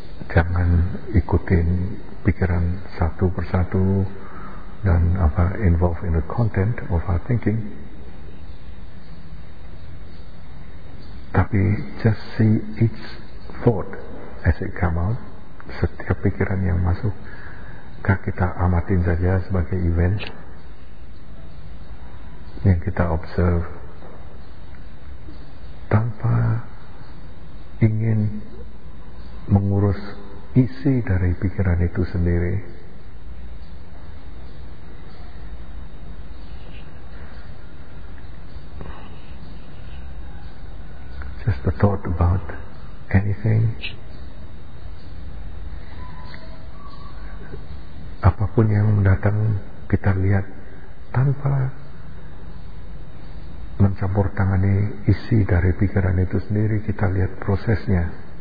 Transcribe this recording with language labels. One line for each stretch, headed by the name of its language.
Indonesian: Jangan ikutin pikiran satu persatu dan apa
English: involved in the content of our thinking. Tapi just see each thought as it come out.
Indonesian: Setiap pikiran yang masuk, kah kita amatin saja sebagai event yang kita observe tanpa ingin mengurus isi dari pikiran itu sendiri.
English: Just a thought about anything.
Indonesian: Apapun yang datang, kita lihat tanpa mencampur tangani isi dari pikiran itu sendiri, kita lihat prosesnya.